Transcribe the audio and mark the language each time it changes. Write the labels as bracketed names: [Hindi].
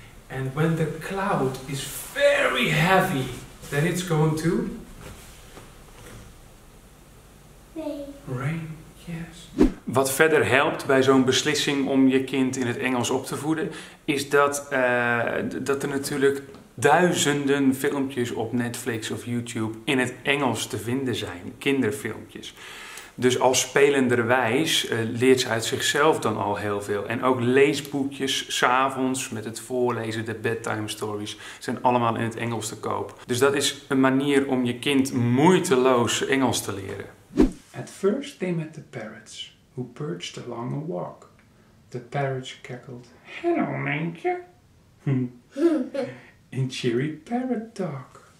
[English] And when the cloud is very heavy, then it's going to? Rain, yes. [Dutch] Wat verder helpt bij zo'n beslissing om je kind in het Engels op te voeden, is dat, dat er natuurlijk duizenden filmpjes op Netflix of YouTube in het Engels te vinden zijn. Kinderfilmpjes. Dus al spelenderwijs leert ze uit zichzelf dan al heel veel. En ook leesboekjes, 's avonds met het voorlezen, de bedtime stories, zijn allemaal in het Engels te koop. Dus dat is een manier om je kind moeiteloos Engels te leren. [English] At first they met the parrots, who perched along a walk. The parrots cackled, "Hello, manger," in cheery parrot talk.